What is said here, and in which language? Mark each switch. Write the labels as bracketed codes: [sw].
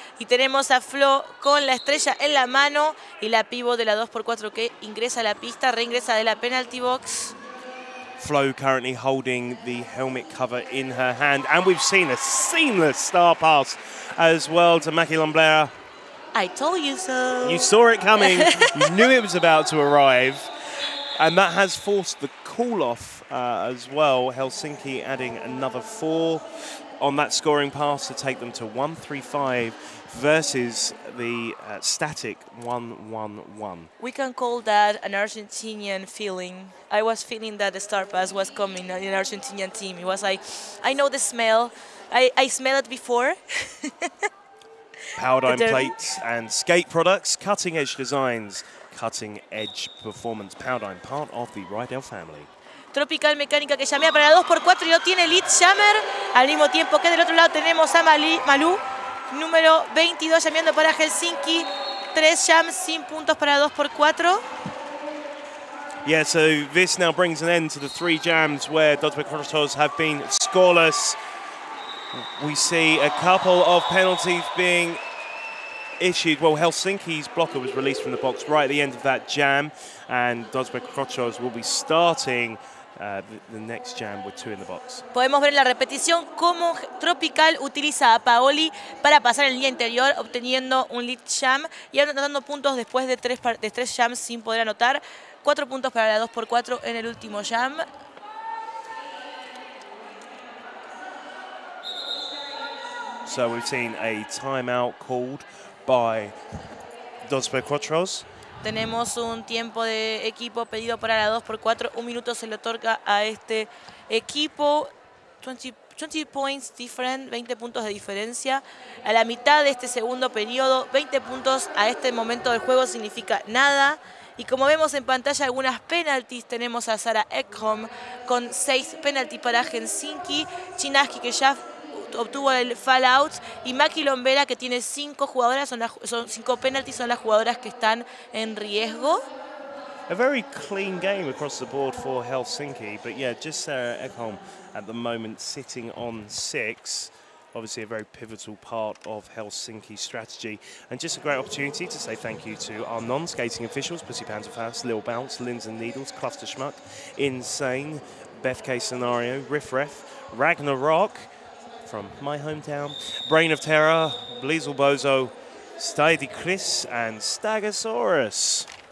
[es] Y tenemos a Flo con la estrella en la mano. Y la pivot de la 2x4 que ingresa a la pista, reingresa de la penalty box. [en] Flo currently holding the helmet cover in her hand. And we've seen a seamless star pass as well to Mackie Lombera. I told you so. You saw it coming. You knew it was about to arrive. And that has forced the call off as well. Helsinki adding another 4 on that scoring pass to take them to 1-3-5 versus the static 1-1-1. We can call that an Argentinian feeling. I was feeling that the star pass was coming in an Argentinian team. It was like, I know the smell. I smelled it before. Powerdyne plates and skate products, cutting edge designs, cutting edge performance. Powerdyne, part of the Rydell family. [es] Tropical Mecánica, que llamea para la 2x4 y lo tiene Lead Jammer. Al mismo tiempo que del otro lado tenemos a Malou, número 22, llameando para Helsinki. 3 jams sin puntos para la 2x4. [en] Yeah, so this now brings an end to the 3 jams where Dodgeball have been scoreless. We see a couple of penalties being issued. Well, Helsinki's blocker was released from the box right at the end of that jam, and Dosbekrochos will be starting the next jam with 2 in the box. [es] Podemos ver en la repetición cómo Tropical utiliza a Paoli para pasar en línea interior, obteniendo un lead jam y anotando puntos después de 3 jams sin poder anotar. 4 puntos para la 2x4 en el último jam. [en] So we've seen a timeout called by Dosbekrochos. [es] Tenemos un tiempo de equipo pedido para la 2x4. Un minuto se le otorga a este equipo. [en] 20 points different, [es] 20 puntos de diferencia. A la mitad de este segundo periodo, 20 puntos a este momento del juego significa nada. Y como vemos en pantalla algunas penalties, tenemos a Sara Ekholm con 6 penalties para Helsinki, Chinaski que ya obtuvo el fallout y Maki Lombera que tiene 5 jugadoras, son 5 penalties, son las jugadoras que están en riesgo. [en] A very clean game across the board for Helsinki, but yeah, just Sara Ekholm at the moment sitting on 6. Obviously a very pivotal part of Helsinki's strategy. And just a great opportunity to say thank you to our non-skating officials, Pussy Panther Fast, Lil Bounce, Lins and Needles, Cluster Schmuck, Insane, Beth K Scenario, Riff Ref, Ragnarok from my hometown, Brain of Terror, Bleasel Bozo, Stydichris and Stagosaurus.